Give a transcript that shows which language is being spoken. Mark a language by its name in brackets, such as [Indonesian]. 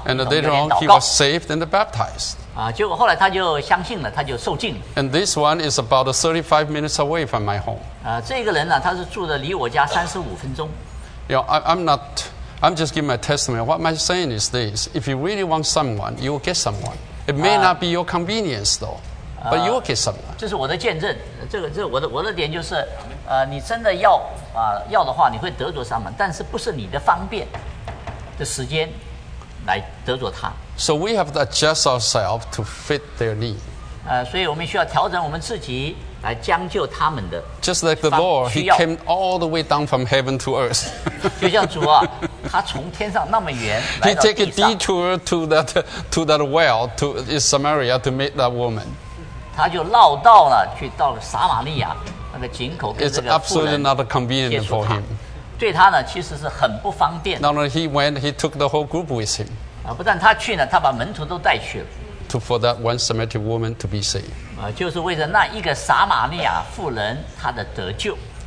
[English] and later on, he was saved and baptized. [Chinese] 啊，结果后来他就相信了，他就受浸。 [English] And this one is about 35 minutes away from my home. [Chinese] 啊，这个人呢，他是住的离我家35分钟。 [English] You know, I'm just giving my testimony. What I'm saying is this: if you really want someone, you will get someone. It may not be your convenience, though, but you will get someone. [Chinese] 这是我的见证。这个我的点就是，你真的要啊、要的话，你会得着 [English] someone， [Chinese] 但是不是你的方便。的时间来得着他。 [English] So we have to adjust ourselves to fit their need. [Chinese] 所以我们需要调整我们自己来将就他们的。 [English] Just like the Lord, he came all the way down from heaven to earth. [Chinese] 就像主啊，他从天上那么远来到地上。 [English] He take a detour to that well to in Samaria to meet that woman. [Chinese] 他就绕道了，去到了撒玛利亚那个井口跟这个妇人接触他。 [English] It's absolutely not convenient for him. [Chinese] 对他呢，其实是很不方便。 [English] Not only he went, he took the whole group with him. [Chinese] 不但他去呢，他把门徒都带去了。 [English] To for that one Samaritan woman to be saved. [Chinese] 就是为了那一个撒玛利亚妇人她的得救。